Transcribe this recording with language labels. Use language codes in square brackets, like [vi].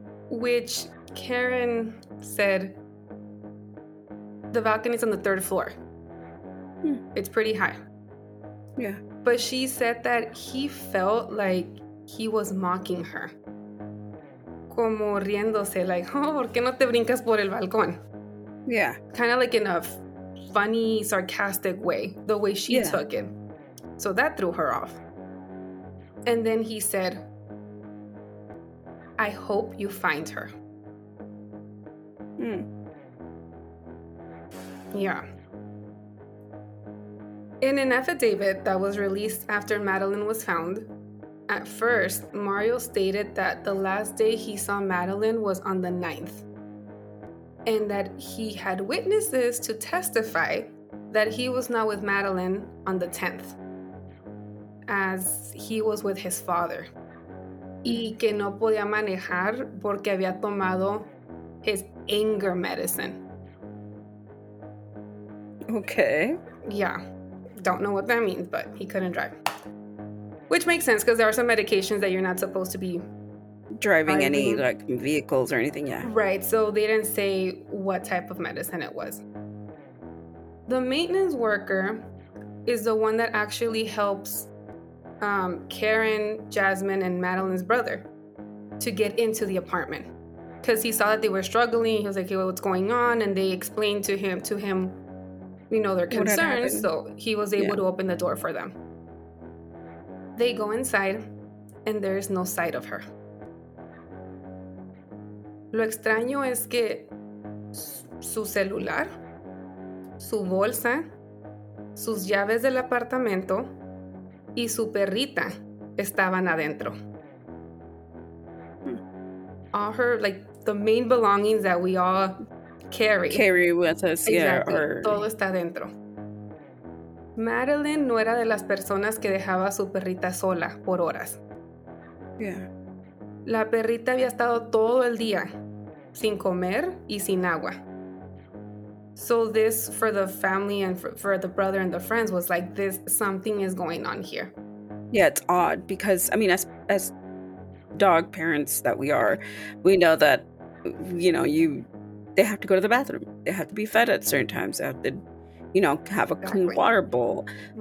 [en] Which Karen said, the balcony's on the third floor. It's pretty high. Yeah. But she said that he felt like he was mocking her. [es] Como riéndose, like, oh, ¿por qué no te brincas por el balcón? [en] Yeah. Kind of like in a funny, sarcastic way, the way she took it. So that threw her off. And then he said, I hope you find her. Yeah. In an affidavit that was released after Madeline was found, at first, Mario stated that the last day he saw Madeline was on the 9th, and that he had witnesses to testify that he was not with Madeline on the 10th, as he was with his father. [es] Y que no podía manejar porque había tomado [en] his anger medicine. Okay. Yeah. Don't know what that means, but he couldn't drive. Which makes sense because there are some medications that you're not supposed to be driving any like vehicles or anything. Yeah. Right. So they didn't say what type of medicine it was. The maintenance worker is the one that actually helps Karen, Jasmine, and Madeline's brother to get into the apartment because he saw that they were struggling. He was like, hey, what's going on? And they explained to him, you know, their concerns. So he was able to open the door for them. They go inside and there is no sight of her. [es] Lo extraño es que su celular, su bolsa, sus llaves del apartamento y su perrita estaban adentro. [en] All her, like, the main belongings that we all carry with us. Exactly. Yeah, [es] or... todo está adentro. Madeline no era de las personas que dejaba a su perrita sola por horas. [en] Yeah. [es] La perrita había estado todo el día sin comer y sin agua. [en] So this, for the family and for the brother and the friends, was like, this, something is going on here. Yeah, it's odd because, I mean, as dog parents that we are, we know that, you know, they have to go to the bathroom. They have to be fed at certain times. They have to... you know, have a clean water bowl. Mm-hmm.